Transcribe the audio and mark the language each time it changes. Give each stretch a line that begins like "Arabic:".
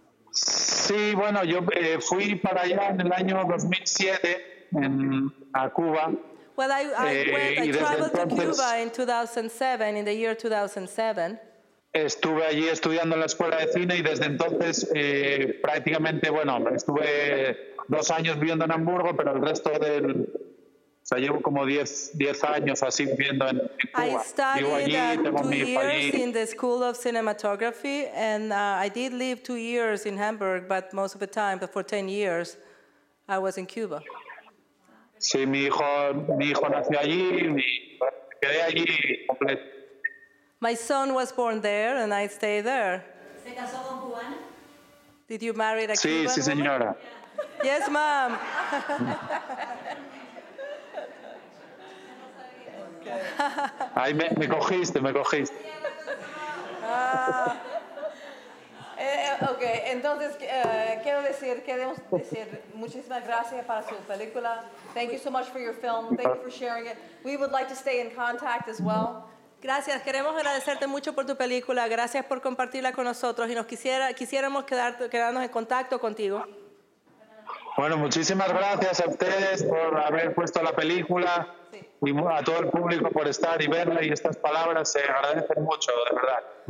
Spanish: Sí, bueno, yo fui para allá en el año 2007 a Cuba.
English: Well, I traveled to Cuba in 2007, in the year 2007.
Spanish: Estuve allí estudiando en la escuela de cine y desde entonces prácticamente, bueno, estuve 2 años viviendo en Hamburgo, pero el resto del, o sea, llevo como 10 años así viviendo en Cuba.
English: I studied two years in the School of Cinematography, and I did live 2 years in Hamburg, but most of the time, but for 10 years, I was in Cuba.
Spanish: Sí, mi hijo nació allí, quedé allí completo.
English: My son was born there, and I stayed there.
Spanish: ¿Se casó con cubana?
English: Did you marry a Cuban?
Spanish: Sí, señora.
English: Yes, ma'am.
Spanish: Ay, me cogiste. Okay, entonces queremos decir muchísimas gracias para su película.
English: Thank you so much for your film. Thank you for sharing it. We would like to stay in contact as well.
Spanish: Gracias, queremos agradecerte mucho por tu película. Gracias por compartirla con nosotros y quisiéramos quedarnos en contacto contigo. Bueno, muchísimas gracias a ustedes por haber puesto la película, sí. Y a todo el público por estar y verla, y estas palabras se agradecen mucho, de verdad.